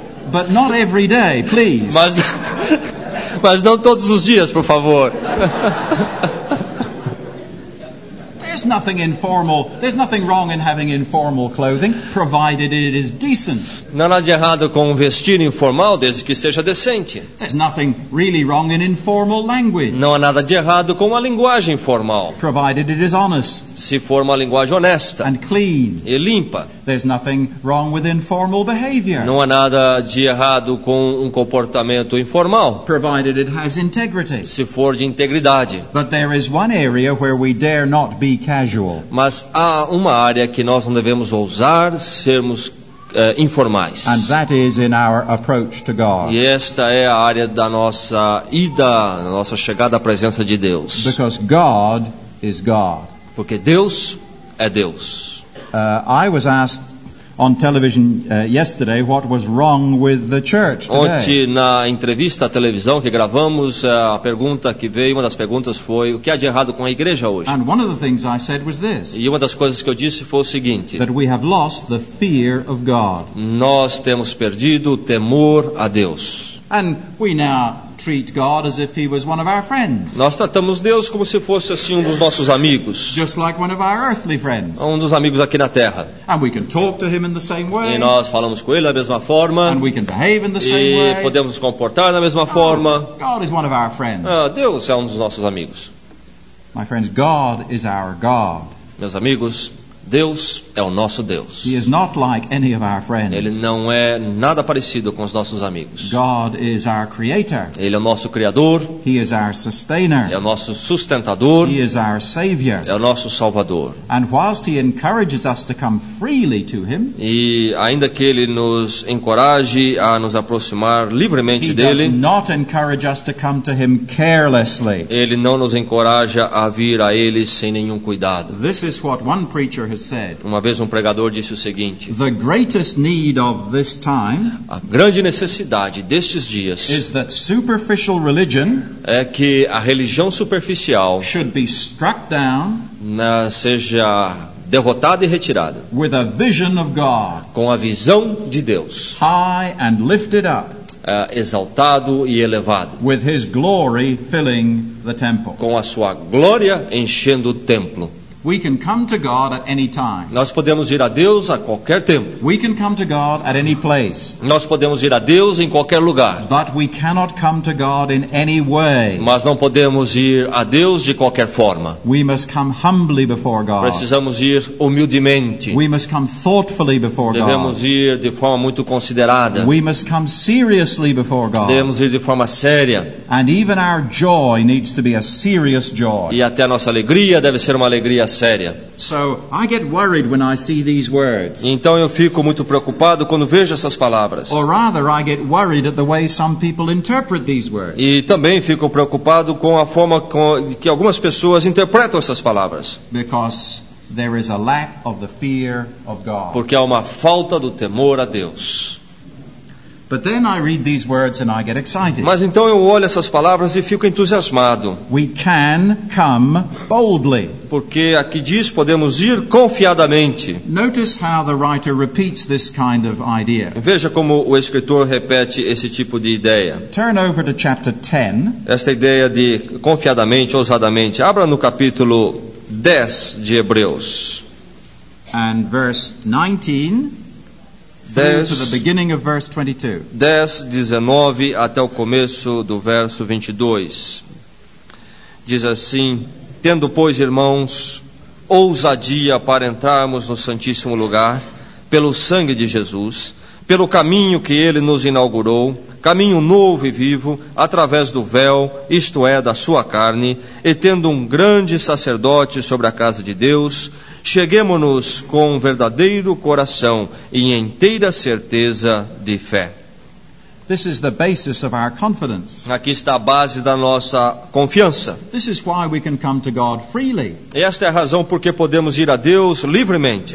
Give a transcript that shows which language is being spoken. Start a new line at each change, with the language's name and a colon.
English: But not every day, please.
Portuguese: Mas não todos os dias, por favor.
English: There's nothing informal. There's nothing wrong in having informal clothing, provided it is decent.
Portuguese: Não há nada de errado com vestir informal, desde que seja decente.
English: There's nothing really wrong in informal language.
Portuguese: Não há nada de errado com uma linguagem informal,
English: provided it is honest.
Portuguese: Se for uma linguagem honesta.
English: And clean.
Portuguese: E limpa.
English: There's nothing wrong with informal behavior.
Portuguese: Não há nada de errado com comportamento informal,
English: provided it has integrity.
Portuguese: Se for de integridade.
English: But there is one area where we dare not be casual.
Portuguese: Mas há uma área que nós não devemos ousar sermos informais.
English: And that is in our approach to God.
Portuguese: E esta é a área da nossa ida, da nossa chegada à presença de Deus.
English: Because God is God.
Portuguese: Porque Deus é Deus.
English: I was asked on television yesterday what was wrong with the church today.
Portuguese: Ontem na entrevista à televisão que gravamos, a pergunta que veio, uma das perguntas foi o que há de errado com a igreja hoje.
English: And one of the things I said was this.
Portuguese: E uma das coisas que eu disse foi o seguinte.
English: That we have lost the fear of God.
Portuguese: Nós temos perdido o temor a Deus.
English: And we now treat God as if he was one of our friends.
Portuguese: Nós tratamos Deus como se fosse assim um dos nossos amigos.
English: Just like one of our earthly friends.
Portuguese: Um dos amigos aqui na terra.
English: And we can talk to him in the same way.
Portuguese: E nós falamos com ele da mesma forma.
English: And we can behave in the same way.
Portuguese: E podemos nos comportar da mesma forma.
English: God is one of our friends.
Portuguese: Deus é um dos nossos amigos.
English: My friends, God is our God.
Portuguese: Meus amigos, Deus é o nosso Deus.
English: He is not like any of our friends.
Portuguese: Ele não é nada parecido com os nossos amigos.
English: God is our creator.
Portuguese: Ele é o nosso Criador.
English: He is our sustainer.
Portuguese: É o nosso sustentador.
English: He is our savior.
Portuguese: É o nosso Salvador.
English: And whilst he encourages us to come freely to him,
Portuguese: e ainda que ele nos encoraje a nos aproximar livremente
English: he
Portuguese: dele,
English: does not encourage us to come to him carelessly.
Portuguese: Ele não nos encoraja a vir a ele sem nenhum cuidado.
English: This is what one preacher has said.
Portuguese: Uma vez pregador disse o seguinte.
English: The greatest need of this time,
Portuguese: a grande necessidade destes dias,
English: is that superficial religion,
Portuguese: é que a religião superficial,
English: should be struck down,
Portuguese: seja derrotada e retirada,
English: with a vision of God,
Portuguese: com a visão de Deus,
English: high and lifted up,
Portuguese: exaltado e elevado.
English: With his glory filling the temple.
Portuguese: Com a sua glória enchendo o templo.
English: We can come to God at any time.
Portuguese: Nós podemos ir a Deus a qualquer tempo.
English: We can come to God at any place.
Portuguese: Nós podemos ir a Deus em qualquer lugar.
English: But we cannot come to God in any way.
Portuguese: Mas não podemos ir a Deus de qualquer forma.
English: We must come humbly before God.
Portuguese: Precisamos ir humildemente.
English: We must come thoughtfully before
Portuguese: Devemos
English: God.
Portuguese: Devemos ir de forma muito considerada.
English: We must come seriously before God.
Portuguese: Devemos ir de forma séria.
English: And even our joy needs to be a serious joy.
Portuguese: E até a nossa alegria deve ser uma alegria séria.
English: So I get worried when I see these words.
Portuguese: Então eu fico muito preocupado quando vejo essas palavras.
English: Or rather, I get worried at the way some people interpret these words.
Portuguese: E também fico preocupado com a forma com que algumas pessoas interpretam essas palavras.
English: Because there is a lack of the fear of God.
Portuguese: Porque há uma falta do temor a Deus.
English: But then I read these words and I get excited.
Portuguese: Mas então eu olho essas palavras e fico entusiasmado.
English: We can come boldly.
Portuguese: Porque aqui diz podemos ir confiadamente.
English: Notice how the writer repeats this kind of idea.
Portuguese: Veja como o escritor repete esse tipo de ideia.
English: Turn over to chapter 10.
Portuguese: Esta ideia de confiadamente, ousadamente. Abra no capítulo 10 de Hebreus.
English: And verse 19. Through to the beginning of verse 22.
Portuguese: 10, 19 até o começo do verso 22. Diz assim: tendo, pois, irmãos, ousadia para entrarmos no Santíssimo Lugar, pelo sangue de Jesus, pelo caminho que ele nos inaugurou, caminho novo e vivo, através do véu, isto é, da sua carne, e tendo um grande sacerdote sobre a casa de Deus, cheguemo-nos com um verdadeiro coração e inteira certeza de fé.
English: This is the basis of our confidence.
Portuguese: Aqui está a base da nossa confiança.
English: This is why we can come to God freely.
Portuguese: Esta é a razão porque podemos ir a Deus livremente.